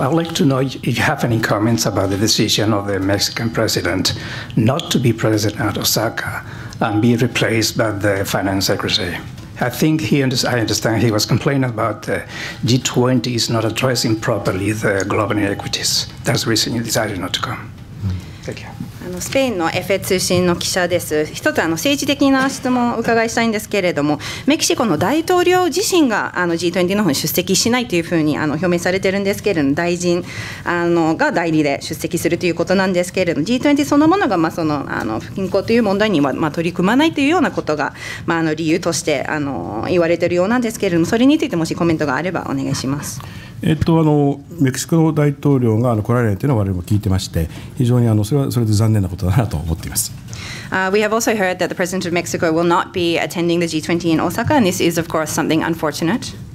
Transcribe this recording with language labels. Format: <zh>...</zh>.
<en>I would like to know if you have any comments about the decision of the Mexican president not to be president at Osaka and be replaced by the finance secretary. I understand he was complaining about the G20 is not addressing properly the global inequities. That's the reason he decided not to come.</en> <ja>スペインのエフェ通信の記者です。一つ政治的な質問をお伺いしたいんですけれども、メキシコの大統領自身が G20 の方に出席しないというふうに表明されているんですけれども、大臣が代理で出席するということなんですけれども、 G20 そのものが不均衡という問題には取り組まないというようなことが理由として言われているようなんですけれども、それについてもしコメントがあればお願いします。メキシコの大統領が来られないというのは我々も聞いてまして、非常にそれはそれで残念なことだなと思っています。</ja> <en>We have also heard that the President of Mexico will not be attending the G20 in Osaka, and this is of course something unfortunate.</en>